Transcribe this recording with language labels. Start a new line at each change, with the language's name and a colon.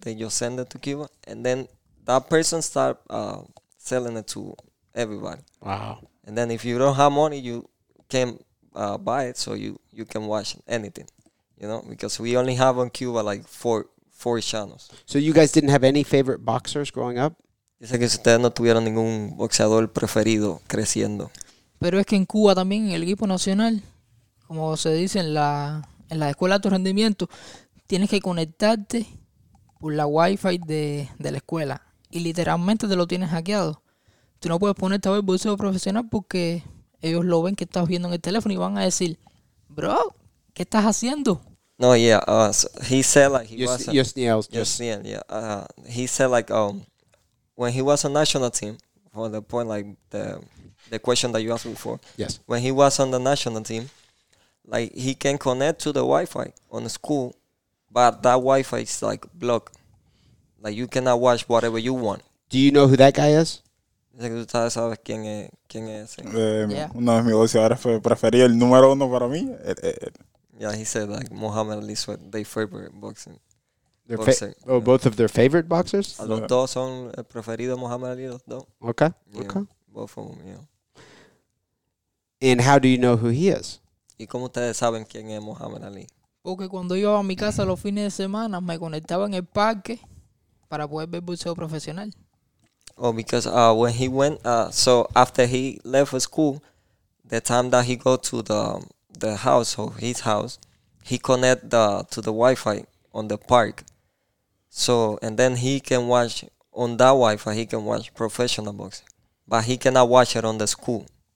English: They just send it to Cuba. And then that person start selling it to everybody. Wow. And then if you don't have money, you can't buy it, so you can watch anything, you know, because we only have on Cuba, like, four channels. So you guys didn't have any favorite boxers growing up?
Spanish: Dice que ustedes no tuvieron ningún boxeador preferido creciendo. Pero es que en Cuba también, en el equipo nacional, como se dice en la escuela de alto rendimiento, tienes que conectarte por la wifi de la escuela. Y literalmente te lo tienes hackeado. Tú no puedes ponerte a ver boxeo profesional porque ellos lo ven que estás viendo en el teléfono y van a decir, bro, ¿qué estás haciendo?
English: No, yeah, so he said, like, he said, like, when he was on national team, for the point, like, the question that you asked before. Yes. When he was on the national team, like, he can connect to the Wi-Fi on the school, but that Wi-Fi is, like, blocked. Like, you cannot watch whatever you want. Do you know who that guy is?
Spanish: Dice que tú sabes quién es ese.
English: Yeah.
Spanish: Uno de mis boxeadores preferido, el número uno para mí.
English: Yeah, he said, like, Muhammad Ali sweat, their favorite boxing. Both of their favorite boxers? Yeah.
Spanish: Los dos son el preferido Muhammad Ali, los dos.
English: Okay, yeah, okay. Both of them, yeah. And how do you know who he is?
Spanish: ¿Y cómo ustedes saben quién es Muhammad Ali? Porque cuando yo iba a mi casa los fines de semana, me conectaba en el parque para poder ver boxeo profesional.
English: Oh, because when he went, so after he left school, the time that he go to the house or his house, he connect to the Wi-Fi on the park. So, and then he can watch on that Wi-Fi, he can watch professional boxing. But he cannot watch it on the school.